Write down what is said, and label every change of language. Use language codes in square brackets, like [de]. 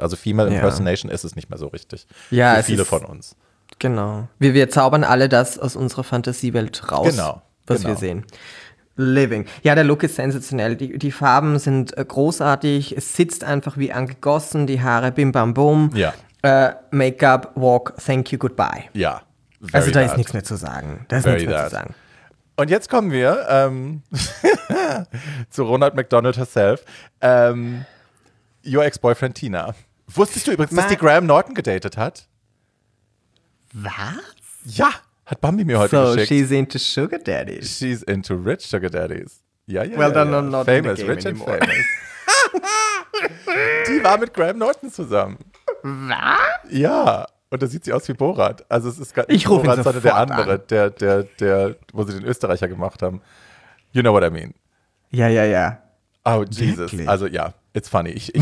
[de] Also Female Impersonation ist es nicht mehr so richtig. Ja, für viele von uns. Genau. Wir zaubern alle das aus unserer Fantasiewelt raus, was wir sehen. Living. Ja, der Look ist sensationell. Die Farben sind großartig. Es sitzt einfach wie angegossen. Die Haare bim bam bum. Ja. [en] Make-up, walk, thank you, goodbye. [de] Ja. Also da ist nichts mehr zu sagen. Da ist nichts mehr zu sagen. Und jetzt kommen wir zu Ronald McDonald herself. [en] Your ex-boyfriend Tina. [de] Wusstest du übrigens, dass die Graham Norton gedatet hat? Was? Ja, hat Bambi mir heute geschickt. [en] So, she's into sugar daddies. She's into rich sugar daddies. [de] Ja, ja, [en] well, [de] ja. [en] Well, then [de] ja. [en] I'm not famous, in the game rich anymore. And famous. [de] Die war mit Graham Norton zusammen. Was? Ja, und da sieht sie aus wie Borat. Also es ist gar nicht Borat, sondern der andere, der, wo sie den Österreicher gemacht haben. [en] You know what I mean? [de] Ja, ja, ja. [en] Oh, Jesus. [de] Wirklich? Also ja, [en] it's funny.